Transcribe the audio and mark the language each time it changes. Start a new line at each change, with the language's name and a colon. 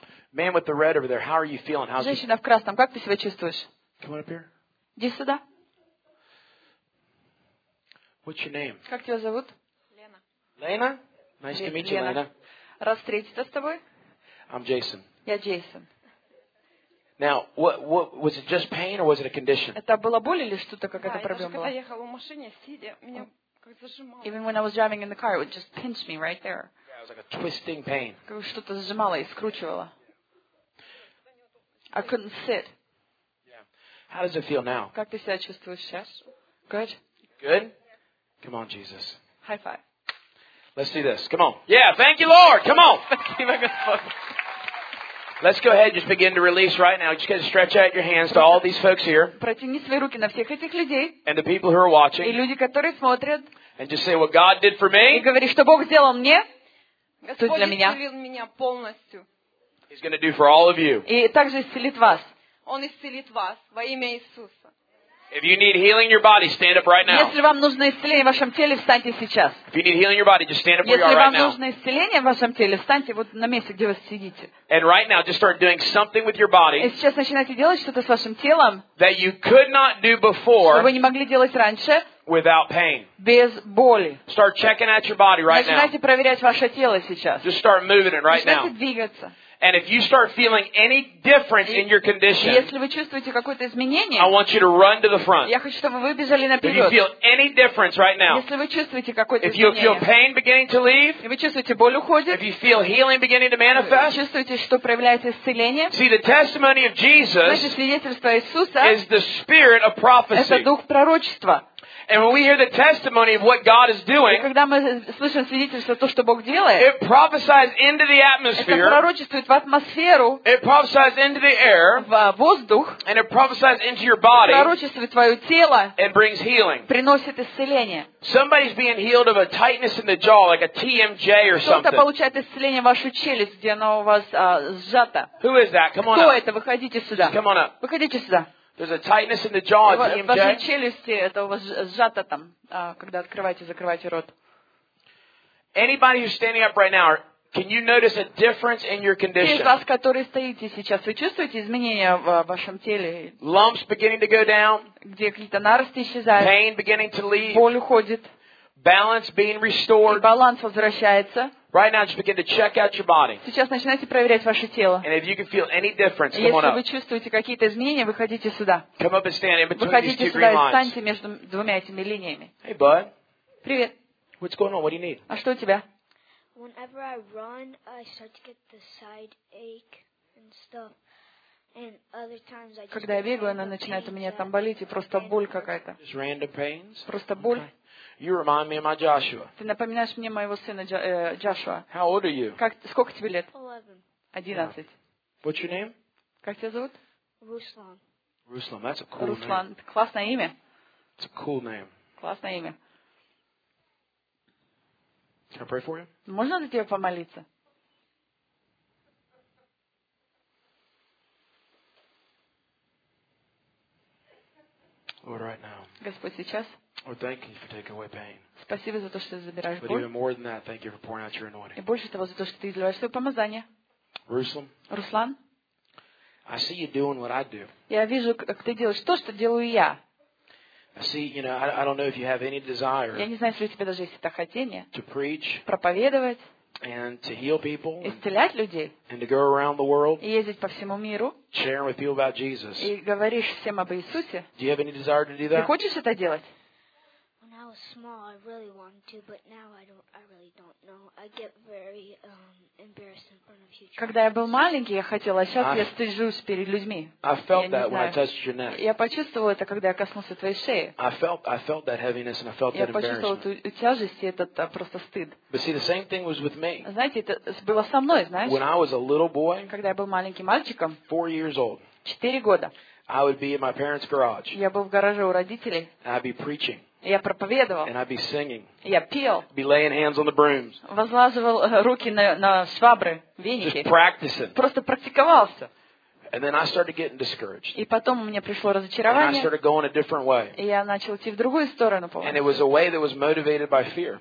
English: Man with the red over there, how are you feeling? How's
Russian: женщина в красном, как ты себя чувствуешь?
English: Come on up here.
Russian: Иди сюда.
English: What's your name?
Russian: Как тебя зовут? Лена.
English: Лена? Nice to meet you, Лена.
Russian: Рад встретиться с тобой.
English: I'm Jason.
Russian: Я Джейсон.
English: Now, what was it just pain or was it a condition?
Russian: Это была боль или что-то, какая-то проблема была? Да, я даже когда ехала в машине, сидя, меня как зажимало.
English: Even when I was driving in the car, it would just pinch me right there. Yeah, it was like a twisting pain.
Russian: Как что-то зажимало и скручивало.
English: I couldn't sit. Yeah. How does it feel now?
Russian: Как ты себя чувствуешь сейчас?
English: Good. Good. Come on, Jesus. High five. Let's do this. Come on. Yeah. Thank you, Lord. Come on. Let's go ahead and just begin to release right now. Just gonna stretch out your hands to all these folks here.
Russian: Протяни свои руки на всех этих людей.
English: And the people who are watching.
Russian: И люди, которые смотрят.
English: And just say what God did for me.
Russian: И говори, что Бог сделал мне. Господь исцелил меня полностью.
English: He's gonna do for all of you.
Russian: И также исцелит вас. Он исцелит вас во имя Иисуса.
English: If you need healing in your body, stand up right now.
Russian: Если вам нужно исцеление в вашем теле, встаньте сейчас.
English: If you need healing in your body, just stand up where
Russian: Если
English: you are right now.
Russian: Если вам нужно исцеление в вашем теле, встаньте вот на месте, где вы сидите.
English: And right now, just start doing something with your body.
Russian: И сейчас начинайте делать что-то с вашим телом.
English: That you could not do before.
Russian: Что вы не могли делать раньше.
English: Without pain.
Russian: Без боли.
English: Start checking out your body right
Russian: Начинайте Начинайте проверять ваше тело сейчас.
English: Just start moving it right
Russian: Начинайте
English: now.
Russian: Двигаться.
English: And if you start feeling any difference in your condition,
Russian: если вы чувствуете какое-то изменение,
English: I want you to run to the front.
Russian: Я хочу, чтобы вы бежали наперед.
English: If you feel any difference right now,
Russian: если вы чувствуете какое-то изменение,
English: if you feel pain beginning to leave,
Russian: и вы чувствуете боль уходит,
English: if you feel healing beginning to manifest,
Russian: вы чувствуете, что проявляется исцеление,
English: see the testimony of Jesus,
Russian: значит, свидетельство Иисуса,
English: is the spirit of prophecy.
Russian: Это дух пророчества.
English: And when we hear the testimony of what God is doing,
Russian: и когда мы слышим свидетельство то, что Бог делает,
English: it prophesies into the atmosphere,
Russian: это пророчествует в атмосферу,
English: it prophesies into the air,
Russian: в воздух,
English: and it prophesies into your body,
Russian: пророчествует твое тело,
English: and brings healing,
Russian: приносит исцеление.
English: Somebody's being healed of a tightness in the jaw, like a TMJ or something.
Russian: Кто-то получает исцеление в вашу челюсть, где она у вас сжата.
English: Who is that? Come on
Russian: Кто Кто это? Выходите сюда.
English: Just come on up.
Russian: Выходите сюда.
English: There's a tightness in the jaw, TMJ.
Russian: В вашей челюсти это у вас сжато там, когда открываете, закрываете рот.
English: Anybody who's standing up right now, can you notice a difference in your condition?
Russian: Те из вас, которые стоите сейчас, вы чувствуете изменения в вашем теле?
English: Lumps beginning to go down.
Russian: Где какие-то наросты исчезают?
English: Pain beginning to leave.
Russian: Боль уходит.
English: Balance being restored.
Russian: И баланс возвращается.
English: Right now, just begin to check out your body.
Russian: Сейчас начинайте проверять ваше тело.
English: And if you can feel any difference, come on up.
Russian: Если вы чувствуете какие-то изменения, выходите сюда.
English: Come up and stand in between
Russian: выходите
English: these two
Russian: сюда
English: green lines.
Russian: И встаньте между двумя этими линиями.
English: Hey, bud.
Russian: Привет.
English: What's going on? What do you need?
Russian: А что у тебя?
English: Whenever I run, I start to get the side ache and stuff. And other times I just
Russian: Когда я бегаю, она начинает у меня там болеть и просто боль какая-то.
English: Just random pains.
Russian: Просто боль. Okay.
English: You remind me of my Joshua.
Russian: Ты напоминаешь мне моего сына Джошуа.
English: How old are you?
Russian: Сколько тебе лет? 11. 11.
English: What's your name?
Russian: Как тебя зовут? Руслан.
English: Руслан, that's a cool
Russian: Руслан.
English: Name.
Russian: Руслан, классное имя.
English: It's a cool name.
Russian: Классное имя.
English: Can I pray for you?
Russian: Можно за тебя помолиться?
English: Lord, right now.
Russian: Господь, сейчас.
English: Lord, thank you for taking away pain.
Russian: Спасибо за то, что ты забираешь боль.
English: But even more than that, thank you for pouring out your anointing.
Russian: И больше того, за то, что ты изливаешь свое помазание. Руслан. Руслан.
English: I see you doing what I do.
Russian: Я вижу, как ты делаешь то, что делаю я.
English: I see, you know, I don't know if you have any desire.
Russian: Я не знаю, если у тебя даже есть это хотение.
English: To preach.
Russian: Проповедовать.
English: And to heal people.
Russian: Исцелять людей.
English: And to go around the world.
Russian: И ездить по всему миру.
English: Sharing with people about Jesus.
Russian: И говоришь всем об Иисусе.
English: Do you have any desire to do that?
Russian: Ты хочешь это делать?
English: Small, I really wanted to, but now I really don't know. I get very embarrassed in front of huge.
Russian: Когда я был маленький, я хотел, а сейчас я стыжусь перед людьми.
English: I felt that when I touched your neck.
Russian: Я почувствовал это, когда я коснулся твоей шеи.
English: I felt that heaviness and I felt that embarrassment.
Russian: Я почувствовал эту тяжесть и этот просто стыд.
English: But see, the same thing was with me.
Russian: Знаете, это было со мной, знаешь?
English: When I was a little boy.
Russian: Когда я был маленьким мальчиком.
English: 4 years old.
Russian: 4 года.
English: I would be in my parents' garage.
Russian: Я был в гараже у родителей.
English: I'd be preaching.
Russian: Я проповедовал.
English: And I'd be singing.
Russian: Я пел.
English: Be laying hands on the brooms.
Russian: Возлаживал руки на швабры, веники.
English: Just practicing.
Russian: Просто практиковался.
English: And then I started getting discouraged.
Russian: И потом у меня пришло разочарование.
English: And I started going a different way.
Russian: И я начал идти в другую сторону.
English: And it was a way that was motivated by fear.